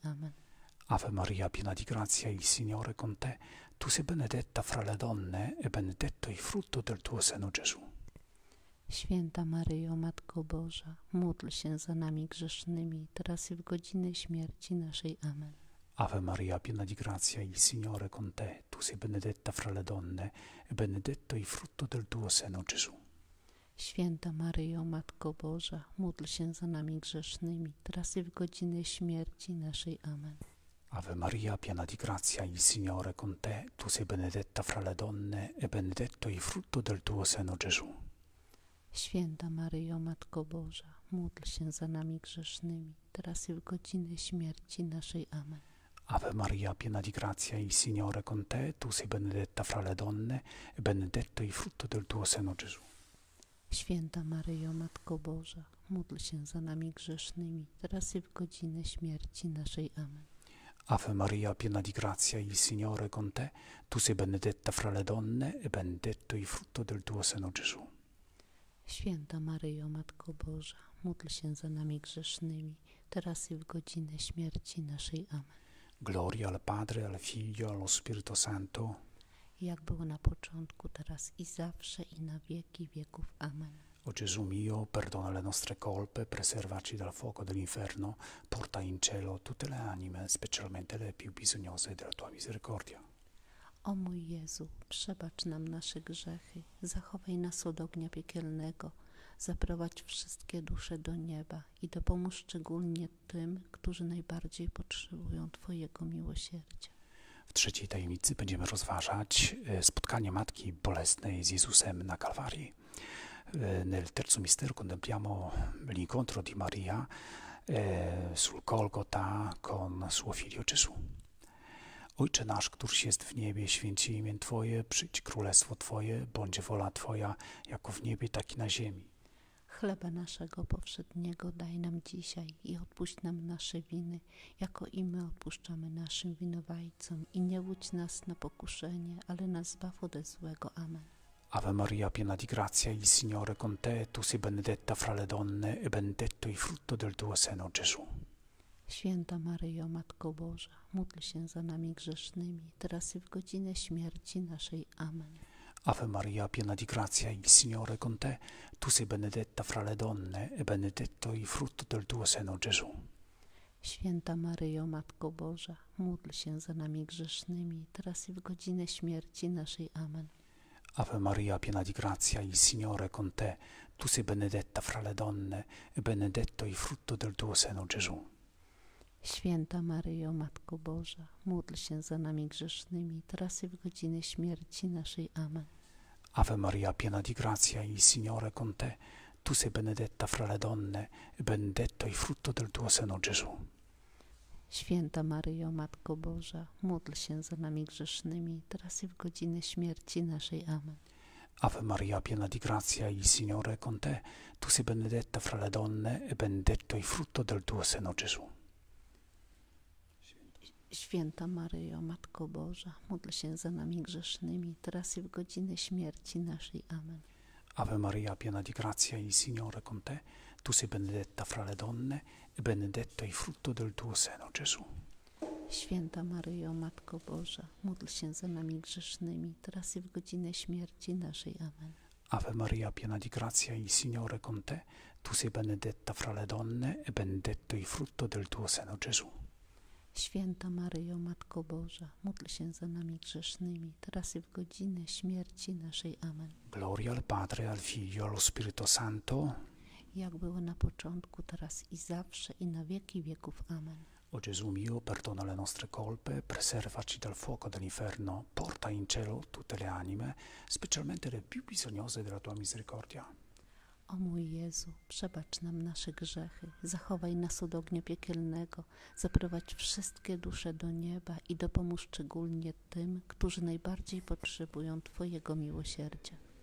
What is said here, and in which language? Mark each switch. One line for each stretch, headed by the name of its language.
Polish: Amen.
Italian: Ave Maria, piena di grazia, il Signore con te. Tu sei benedetta fra le donne e benedetto il frutto del tuo seno, Gesù.
Polish: Święta Maryjo, Matko Boża, módl się za nami grzesznymi, teraz i w godzinę śmierci naszej. Amen.
Italian: Ave Maria, piena di grazia, il Signore con te. Tu sei benedetta fra le donne e benedetto il frutto del tuo seno, Gesù.
Polish: Święta Maryjo, Matko Boża, módl się za nami grzesznymi, teraz i w godzinę śmierci naszej. Amen.
Italian: Ave Maria, piena di grazia, il Signore con te. Tu sei benedetta fra le donne e benedetto il frutto del tuo seno, Gesù.
Polish: Święta Maryjo, Matko Boża, módl się za nami grzesznymi, teraz i w godzinę śmierci naszej. Amen.
Italian: Ave Maria, piena di grazia, il Signore con te, tu sei benedetta fra le donne, e benedetto il frutto del tuo seno, Gesù.
Polish: Święta Maryjo, Matko Boża, módl się za nami grzesznymi, teraz i w godzinę śmierci naszej. Amen.
Italian: Ave Maria, piena di grazia, il Signore con te, tu sei benedetta fra le donne, e benedetto il frutto del tuo seno, Gesù.
Polish: Święta Maryjo, Matko Boża, módl się za nami grzesznymi, teraz i w godzinę śmierci naszej. Amen.
Italian: Gloria al Padre, al Figlio, allo Spirito Santo.
Polish: Jak było na początku, teraz i zawsze, i na wieki wieków. Amen.
Italian: O Gesù mio, perdona le nostre colpe, preservaci dal fuoco dell'inferno, porta in cielo tutte le anime, specialmente le più bisognose della tua misericordia.
Polish: O mój Jezu, przebacz nam nasze grzechy, zachowaj nas od ognia piekielnego, zaprowadź wszystkie dusze do nieba i dopomóż szczególnie tym, którzy najbardziej potrzebują Twojego miłosierdzia. W trzeciej tajemnicy będziemy rozważać spotkanie Matki Bolesnej z Jezusem na Kalwarii.
Italian: Nel terzo mistero contempliamo l'incontro di Maria sul Golgota con suo figlio Gesù.
Polish: Ojcze nasz, któryś jest w niebie, święci imię Twoje, przyjdź królestwo Twoje, bądź wola Twoja, jako w niebie, tak i na ziemi. Chleba naszego powszedniego daj nam dzisiaj i odpuść nam nasze winy, jako i my odpuszczamy naszym winowajcom. I nie wódź nas na pokuszenie, ale nas zbaw ode złego. Amen.
Italian: Ave Maria, piena di grazia, il Signore con te, tu sei benedetta fra le donne, e benedetto il frutto del tuo seno, Gesù.
Polish: Święta Maryjo, Matko Boża, módl się za nami grzesznymi, teraz i w godzinę śmierci naszej. Amen.
Italian: Ave Maria, piena di grazia, il Signore con te, tu sei benedetta fra le donne, e benedetto il frutto del tuo seno, Gesù.
Polish: Święta Maryjo, Matko Boża, módl się za nami grzesznymi, teraz i w godzinę śmierci naszej. Amen.
Italian: Ave Maria, piena di grazia, il Signore con te, tu sei benedetta fra le donne, e benedetto il frutto del tuo seno, Gesù.
Polish: Święta Maryjo, Matko Boża, módl się za nami grzesznymi, teraz i w godzinę śmierci naszej. Amen.
Italian: Ave Maria, piena di grazia, il Signore con te, tu sei benedetta fra le donne, e benedetto il frutto del tuo seno, Gesù.
Polish: Święta Maryjo, Matko Boża, módl się za nami grzesznymi, teraz i w godzinę śmierci naszej. Amen.
Italian: Ave Maria, piena di grazia, il Signore con te, tu sei benedetta fra le donne, e benedetto il frutto del tuo seno, Gesù.
Polish: Święta Maryjo, Matko Boża, módl się za nami grzesznymi, teraz i w godzinę śmierci naszej. Amen.
Italian: Ave Maria, piena di grazia, il Signore con te, tu sei benedetta fra le donne, e benedetto il frutto del tuo seno, Gesù.
Polish: Święta Maryjo, Matko Boża, módl się za nami grzesznymi, teraz i w godzinę śmierci naszej. Amen.
Italian: Ave Maria, piena di grazia, il Signore con te, tu sei benedetta fra le donne, e benedetto il frutto del tuo seno, Gesù.
Polish: Święta Maryjo, Matko Boża, módl się za nami grzesznymi, teraz i w godzinę śmierci naszej. Amen.
Italian: Gloria al Padre, al Figlio, allo Spirito Santo.
Polish: Jak było na początku, teraz i zawsze, i na wieki wieków. Amen.
Italian: O Gesù mio, perdona le nostre colpe, preservaci dal fuoco dell'inferno, porta in cielo tutte le anime, specialmente le più bisognose della tua misericordia.
Polish: O mój Jezu, przebacz nam nasze grzechy, zachowaj nas od ognia piekielnego, zaprowadź wszystkie dusze do nieba i dopomóż szczególnie tym, którzy najbardziej potrzebują Twojego miłosierdzia.